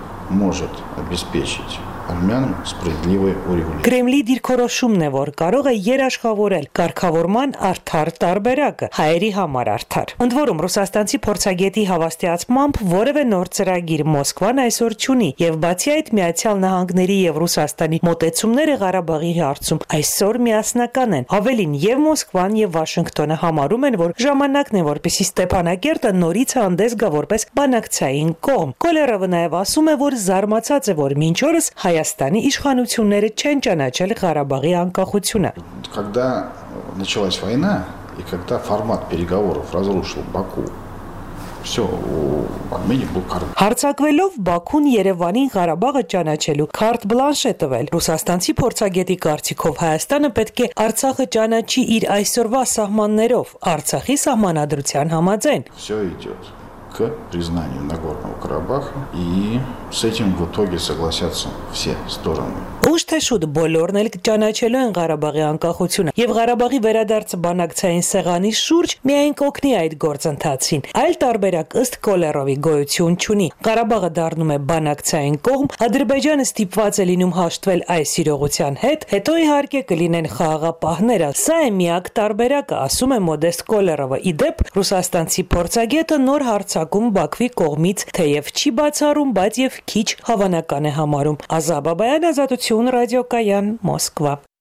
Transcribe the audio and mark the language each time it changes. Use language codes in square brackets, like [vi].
[ru] может обеспечить армянам справедливое урегулирование. [hy] Кремли դիրքորոշումն է, որ կարող է երաշխավորել կարգավորման արդար տարբերակը հայերի համար արդար։ Ընդ որում ռուսաստանցի փորձագետի հավաստիացմամբ որևէ նոր ծրագիր Մոսկվան այսօր չունի, և բացի այդ Միացյալ Նահանգների և Ռուսաստանի մոտեցումները Ղարաբաղի հարցում այսօր միասնական են։ Ավելին, և Մոսկվան, և Վաշինգտոնը համարում են, որ ժամանակն է, որպեսզի Ստեփանակերտը նորից հանդես գա որպես բանակցային կողմ։ Կոլերովը նաև ասում է, որ զարմացած է, որ մինչ օրս Հայաստանի իշխանությունները չեն ճանաչել Ղարաբաղի անկախությունը։ [ru] Когда началась война и когда формат переговоров разрушил Баку, всё, Армения был карт. [hy] Հարցակվելով Բաքուն Երևանին Ղարաբաղը ճանաչելու քարտ բլանշ է տվել, ռուսաստանցի փորձագետի կարծիքով Հայաստանը պետք է Արցախը ճանաչի իր այսօրվա սահմաններով, Արցախի սահմանադրության համաձայն։ [ru] Всё идёт к признанию Нагорного Карабаха, и с этим в итоге согласятся все стороны. [hy] Ուշ թե շուտ բոլորն էլ ճանաչելու են Ղարաբաղի անկախությունը, և Ղարաբաղի վերադարձը բանակցային սեղանի շուրջ միայն կօգնի այդ գործընթացին։ Այլ տարբերակ ըստ Կոլերովի գոյություն չունի։ Ղարաբաղը դառնում է բանակցային կողմ, Ադրբեջանը ստիպված է լինում հաշտվել այս իրողության հետ, հետո իհարկե կլինեն խաղաղապահները։ Սա է միակ տարբերակը, ասում է Մոդեստ Կոլերովը։ Ի դեպ, ռուսաստանցի փորձագետը նոր հարցակում Բաքվի կողմից թեև չի բացառում, բայց և քիչ հավանական է համարում։ Ազա Բաբայան, Ազատ Ցուն Ռադիո Կայան, Մոսկվա։